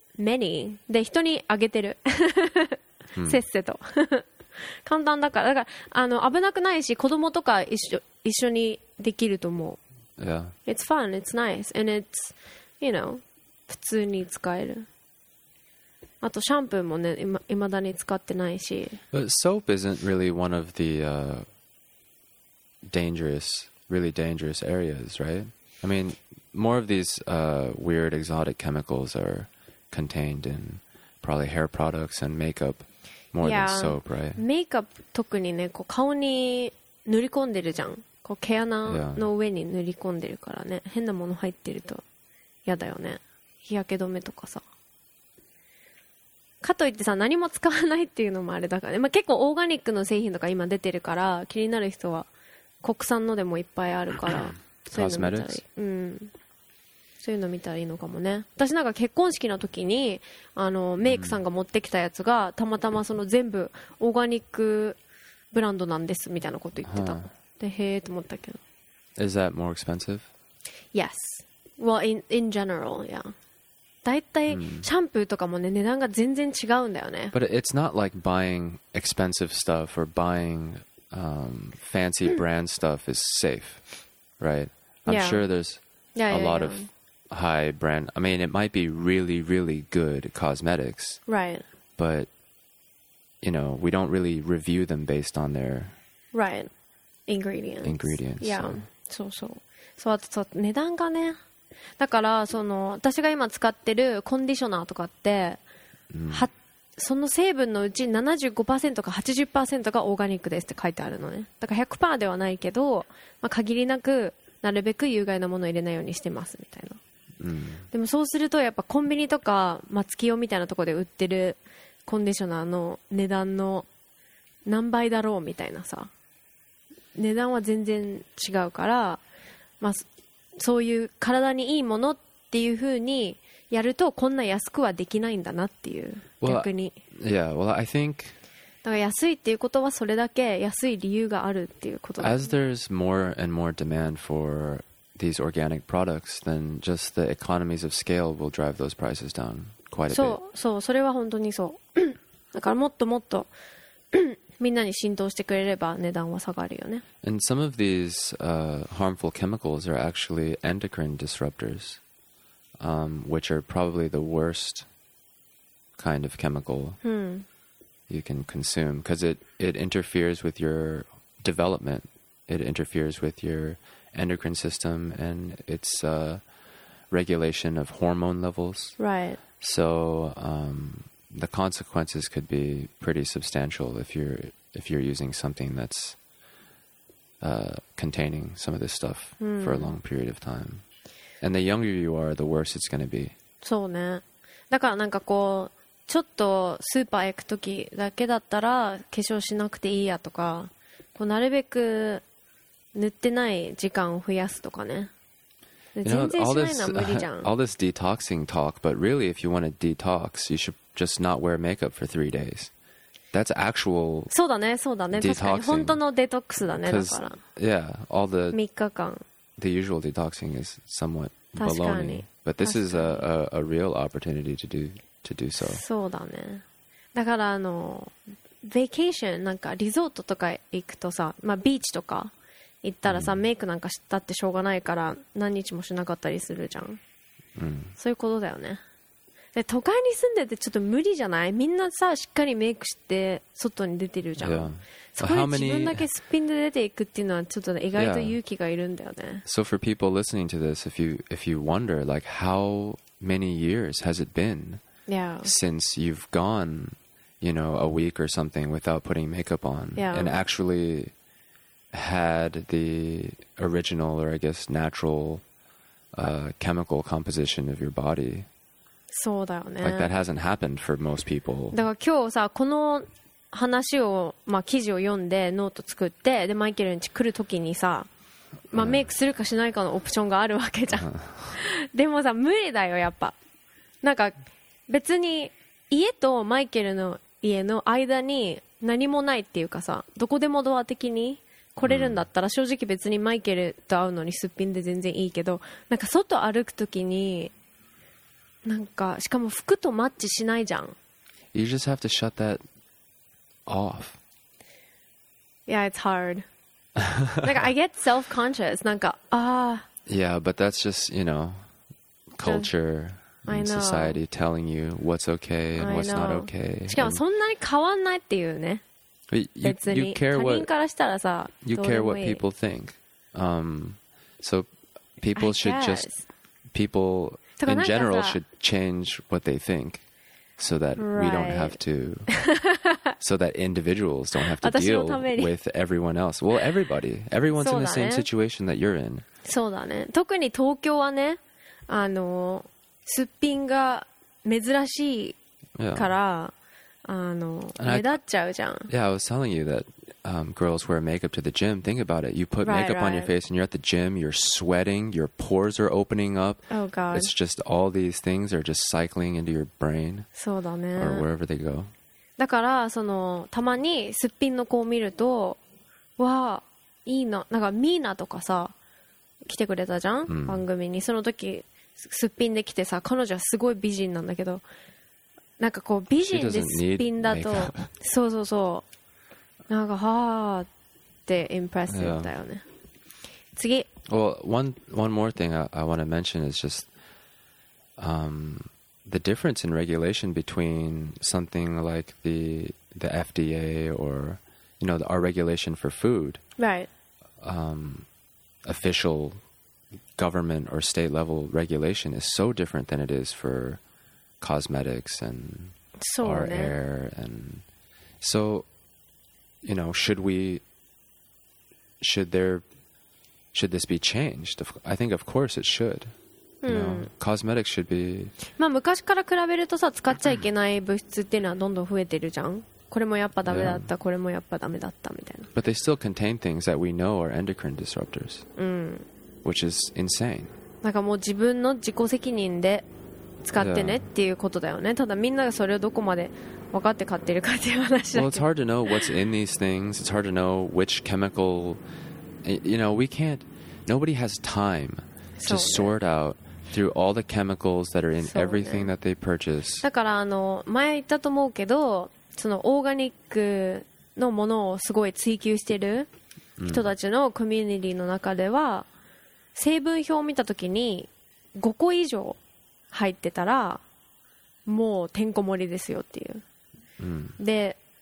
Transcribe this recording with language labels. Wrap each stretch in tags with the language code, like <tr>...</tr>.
<ja>many で人にあげてる、うん、せっせと簡単だから、だからあの危なくないし子供とか一緒にできると思う。</ja> <en>Yeah, it's fun, it's nice, and it's, you know,</en> <ja>普通に使える。あとシャンプーもね、いまだに使ってないし。</ja> <en>But soap isn't really one of the、dangerous, really dangerous areas, right? I mean, more of these、weird exotic chemicals are contained in probably hair products and makeup more、 yeah. than soap, right?</en> <ja>Makeup 特にね、こう顔に塗り込んでるじゃん。こう毛穴の上に塗り込んでるからね、変なもの入ってると嫌だよね。日焼け止めとかさ。かといってさ、何も使わないっていうのもあれだからね、まあ、結構オーガニックの製品とか今出てるから、気になる人は国産のでもいっぱいあるからそういうの見たり、うん、そういうの見たらいいのかもね。私なんか結婚式の時にあのメイクさんが持ってきたやつが、うん、たまたまその全部オーガニックブランドなんですみたいなこと言ってた、huh. でへーと思ったけど。</ja> <en>Is that more expensive? Yes. Well, in general, yeah.</en> <ja>だいたいシャンプーとかもね、値段が全然違うんだよね。</ja> <en>But it's not like buying expensive stuff or buying、fancy brand stuff is safe, right? I'm、 yeah. sure there's yeah, yeah, a lot yeah. of high brand. I mean, it might be really, really good cosmetics. Right. But, you know, we don't really review them based on their... Right. Ingredients. Ingredients. Yeah. So, so.</en> <ja>So, あと、値段がね、だからその私が今使ってるコンディショナーとかって、うん、その成分のうち 75% か 80% がオーガニックですって書いてあるのね。だから 100% ではないけど、まあ、限りなくなるべく有害なものを入れないようにしてますみたいな、うん、でもそうするとやっぱコンビニとか松木用みたいなところで売ってるコンディショナーの値段の何倍だろうみたいなさ、値段は全然違うから、まあそういう体にいいものっていう風にやるとこんな安くはできないんだなっていう、</ja> <en>well,</en> <ja>逆に</ja> <en>yeah, well, I think</en> <ja>だから安いっていうことはそれだけ安い理由があるっていうことだ、</ja> <en>ね、as there's more and more demand for these organic products, then just the economies of scale will drive those prices down quite a bit.</en> <ja>そうそう、それは本当にそうだからもっともっとみんなに浸透してくれれば値段は下がるよね。</ja> <en>And some of these、harmful chemicals are actually endocrine disruptors、which are probably the worst kind of chemical、 hmm. you can consume because it interferes with your development, it interferes with your endocrine system and its、regulation of hormone levels. Right. So、the consequences could be pretty substantial if you're using something that's containing some of this stuff、うん、for a long period of time. And the younger you are, the worse it's going to be.</en> <ja>そうね。だからなんかこう、ちょっとスーパー行くときだけだったら化粧しなくていいやとか、こうなるべく塗ってない時間を増やすとかね。</ja> <en>You know, all this detoxing talk, but really if you want to detox, you should just not wear makeup for 3 days. That's actual detoxing.</en> <ja>そうだね、そうだね。確かに本当のデトックスだね、だから。</ja> <en>Yeah, all the</en> <ja>3日間。</ja> <en>The usual detoxing is somewhat baloney. But this is a real opportunity to do so.</en> <ja>そうだね。だからあの、vacation、なんかリゾートとか行くとさ、まあビーチとか、行ったらさ、メイクなんかしたってしょうがないから何日もしなかったりするじゃん、うん、そういうことだよね。で都会に住んでてちょっと無理じゃない？みんなさしっかりメイクして外に出てるじゃん、</ja> <en>yeah.</en> <ja>そこで自分だけすっぴんで出ていくっていうのはちょっと意外と勇気がいるんだよね、</ja> <en>yeah. So for people listening to this, if you wonder like how many years has it been、 yeah. since you've gone, you know, a week or something without putting makeup on、 yeah. and actuallyhad the original or I guess natural、chemical composition of your body.</en> <ja>そうだよね。</ja> <en>Like that hasn't happened for most people.</en> <ja>だから今日さこの話を、まあ、記事を読んでノート作ってでマイケルに来るときにさ、まあ、メイクするかしないかのオプションがあるわけじゃん。でもさ無理だよやっぱ。なんか別に家とマイケルの家の間に何もないっていうかさ、どこでもドア的に来れるんだったら正直別にマイケルと会うのにすっぴんで全然いいけど、なんか外歩くときになんかしかも服とマッチしないじゃん。</ja> <en>You just have to shut that off. Yeah, it's hard. Like I get self-conscious. なんか、ah. Yeah, but that's just, you know, culture and society telling you what's okay and what's not okay.</en> <ja>しかもそんなに変わんないっていうね。</ja> <en>You care what,</en> <ja>他人からしたらさ、</ja> <en>you care what people think. So people should just, people in general should change what they think so that we don't have to, so that individuals don't have to deal with everyone else. Well, everybody. Everyone's in the same situation that you're in.</en> <ja>そうだね。特に東京はね、すっぴんが珍しいから、目立っちゃうじゃん。</ja> <en>Yeah, I was telling you that girls wear makeup to the gym. Think about it. You put makeup on your face and you're at the gym, you're sweating, your pores are opening up. Oh god. It's just all these things are just cycling into your brain.</en> <ja>そうだね。</ja> <en>Or wherever they go.</en> <ja>だから、たまにすっぴんの子を見ると、わあ、いいな。なんかミーナとかさ、来てくれたじゃん、番組に。その時、すっぴんで来てさ、彼女はすごい美人なんだけど、なんかこう美人ですっぴんだと、そうそうそう、なんかはーってインプレッシブだよね。次。</ja> <en>Well, one more thing I want to mention is just the difference in regulation between something like the FDA or you know our regulation for food. Right. Official government or state level regulation is so different than it is for cosmetics and our air and so you know should this be changed? I think of course it should. You know, cosmetics should be.</en> <ja>まあ昔から比べるとさ使っちゃいけない物質っていうのはどんどん増えてるじゃん。これもやっぱダメだった、これもやっぱダメだったみたいな。</ja> <en>But they still contain things that we know are endocrine disruptors. Which is insane.</en> <ja>なんかもう自分の自己責任で使ってねっていうことだよね。ただみんながそれをどこまで分かって買ってるかっていう話だけど。</ja> <en>Well, it's hard to know what's in these things. It's hard to know which chemical. You know, we can't. Nobody has time to sort out through all the chemicals that are in everything that they purchase.</en> <ja>だから前言ったと思うけど。そのオーガニックのものをすごい追求してる人たちのコミュニティの中では成分表を見たときに5個以上入ってたらもうてんこ盛りですよっていう、で</ja>